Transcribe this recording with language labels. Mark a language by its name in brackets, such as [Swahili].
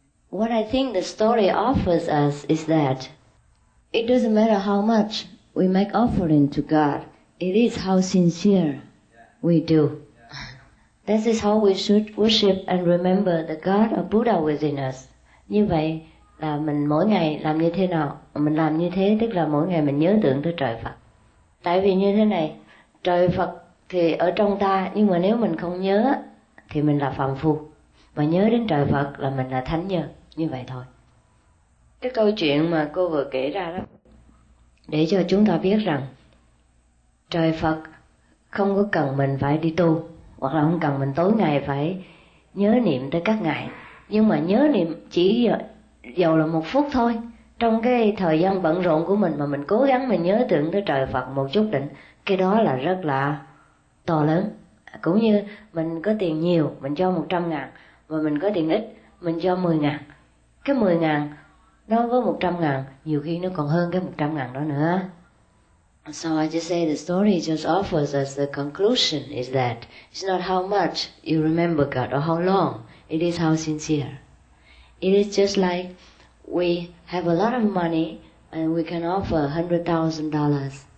[English] What I think the story offers us is that it doesn't matter how much we make offering to God, it is how sincere we do. This is how we should worship and remember the God or Buddha within us. [Vietnamese] Như vậy là mình mỗi ngày làm như thế nào? Mình làm như thế tức là mỗi ngày mình nhớ tưởng tới trời Phật. Tại vì như thế này, trời Phật thì ở trong ta, nhưng mà nếu mình không nhớ thì mình là phàm phu, mà nhớ đến trời Phật là mình là thánh nhân, như vậy thôi. Cái câu chuyện mà cô vừa kể ra đó, để cho chúng ta biết rằng trời Phật không có cần mình phải đi tu, hoặc là không cần mình tối ngày phải nhớ niệm tới các ngài, nhưng mà nhớ niệm chỉ dầu là một phút thôi, trong cái thời gian bận rộn của mình mà mình cố gắng mình nhớ tưởng tới trời Phật một chút định, cái đó là rất là to lớn. Cũng như mình có tiền nhiều, mình cho 100 ngàn, và mình có tiền ít, mình cho 10 ngàn. Cái 10 ngàn đó với 100 ngàn, nhiều khi nó còn hơn cái 100 ngàn đó nữa. [English] So I just say the story just offers us the conclusion is that it's not how much you remember God or how long, it is how sincere. It is just like we have a lot of money and we can offer $100,000.